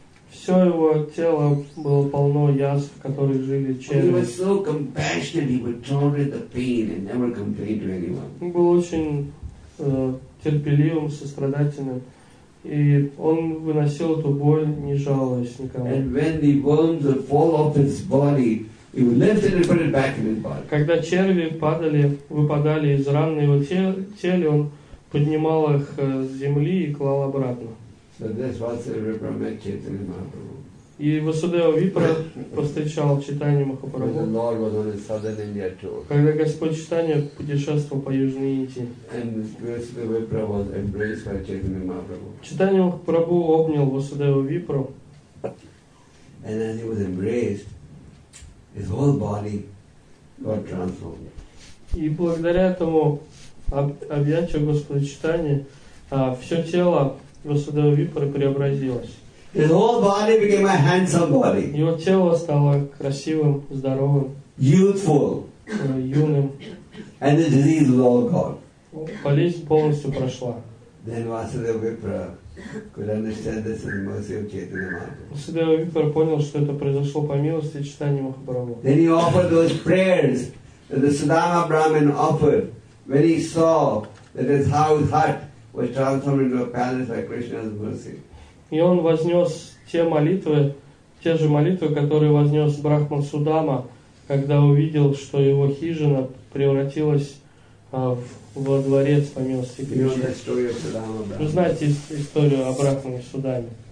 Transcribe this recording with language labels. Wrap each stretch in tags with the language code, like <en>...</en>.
<ru>Все его тело было полно язв, в которых жили черви. Он был очень терпеливым, сострадательным. И он выносил эту боль, не жалуясь никому.</ru> <en>And when the worms would fall off his body, he would lift it and put it back in his body.</en> <ru>Когда черви падали, выпадали из ран на его теле, он поднимал их с земли и клал обратно.</ru> <en>So this was the Vipra met Chaitanya Mahaprabhu.</en> <ru>И Васудева Випра повстречал Чайтанья Махапрабху.</ru> <en>When the Lord was on his southern India tour.</en> <ru>Когда Господь Чайтанья путешествовал по Южной Индии.</ru> <en>And Васудева Випра was embraced by Chaitanya Mahaprabhu.</en> <ru>Чайтанья Махапрабху обнял Васудеву Випру.</ru> <en>And as he was embraced, his whole body got transformed.</en> <ru>И благодаря этому объятию Господа Чайтанья все тело Васудева Випры преобразилось.</ru> <en>His whole body became a handsome body.</en> <ru>Его тело стало красивым, здоровым,</ru> <en>youthful,</en> <ru>юным.</ru> <en>And the disease was all gone.</en> <ru>Болезнь полностью прошла.</ru> <en>Then Васудева Випра could understand this in the mercy of Chaitanya Mahaprabhu.</en> <ru>Васудева Випра понял, что это произошло по милости Чайтаньи Махапрабху.</ru> <en>Then he offered those prayers that the Sudama Brahmin offered when he saw that his house hut was transformed into a palace by Krishna's mercy.</en> <ru>И он вознес те же молитвы, которые вознес Брахман Судама, когда увидел, что его хижина превратилась во дворец по милости Кришны. Вы знаете историю о Брахмане Судаме.</ru>